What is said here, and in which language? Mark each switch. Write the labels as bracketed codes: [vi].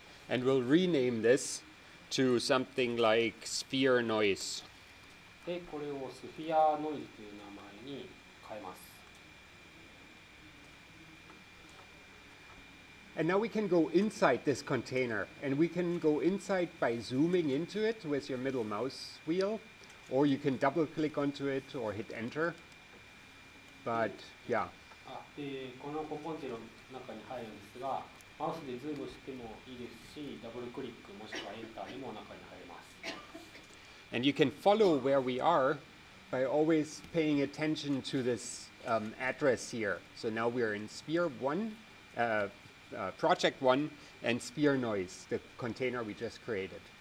[en] And we'll rename this to something like sphere noise. [ja] で、これをスフィアノイズという名前に変えます。 [en] And now we can go inside this container, and we can go inside by zooming into it with your middle mouse wheel, or you can double click onto it or hit enter. But yeah. [ja] このコンポーネントの中に入るんですが、マウスでズームしてもいいですし、ダブルクリックもしくはエンターでも中に入ります。 [en] And you can follow where we are by always paying attention to this address here. So now we are in sphere one. Project 1 and sphere noise, the container we just created.